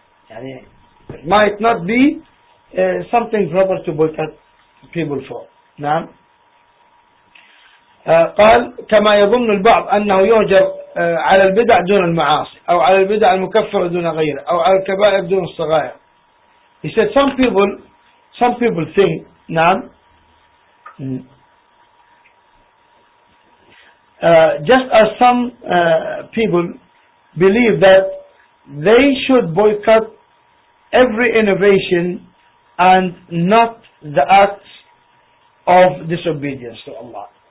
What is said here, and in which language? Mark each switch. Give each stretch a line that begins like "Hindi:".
English: يعني it might not be something proper to boycott people for.
Arabic: نعم. قال كما يظن البعض أنه يهجر على البدع دون المعاصي أو على البدع المكفرة دون غيره أو على الكبائر دون الصغائر.
English: He said some people think نعم just as some people believe that they should boycott every innovation and not the acts of disobedience to Allah.